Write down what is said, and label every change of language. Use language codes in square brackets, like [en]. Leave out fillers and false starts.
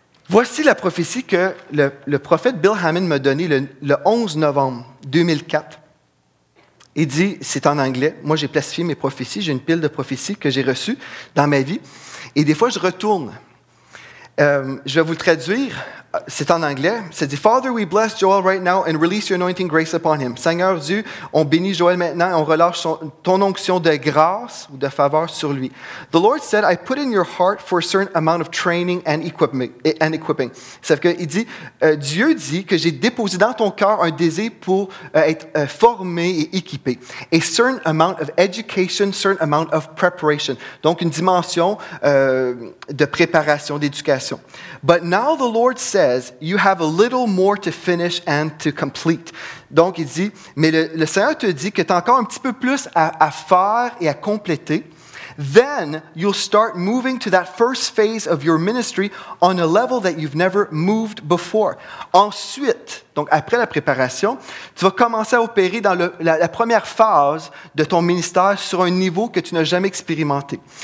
[fr] Voici la prophétie que le prophète Bill Hammond m'a donnée le 11 novembre 2004. Il dit, c'est en anglais, moi j'ai plastifié mes prophéties, j'ai une pile de prophéties que j'ai reçues dans ma vie. Et des fois, je retourne. Je vais vous le traduire. C'est en anglais. Ça dit, [en] Father, we bless Joel right now and release your anointing grace upon him. [fr] Seigneur Dieu, on bénit Joel maintenant et on relâche ton onction de grâce ou de faveur sur lui. [en] The Lord said, I put in your heart for a certain amount of training and equipping. [fr] C'est-à-dire qu'il dit, Dieu dit que j'ai déposé dans ton cœur un désir pour être formé et équipé. [en] A certain amount of education, certain amount of preparation. [fr] Donc, une dimension de préparation, d'éducation. [en] But now the Lord says, you have a little more to finish and to complete. [fr] Donc, il dit, mais le Seigneur te dit que tu as encore un petit peu plus à faire et à compléter. [en] Then you'll start moving to that first phase of your ministry on a level that you've never moved before. [fr] Ensuite, donc après la préparation, tu vas commencer à opérer dans la première phase de ton ministère sur un niveau que tu n'as jamais expérimenté.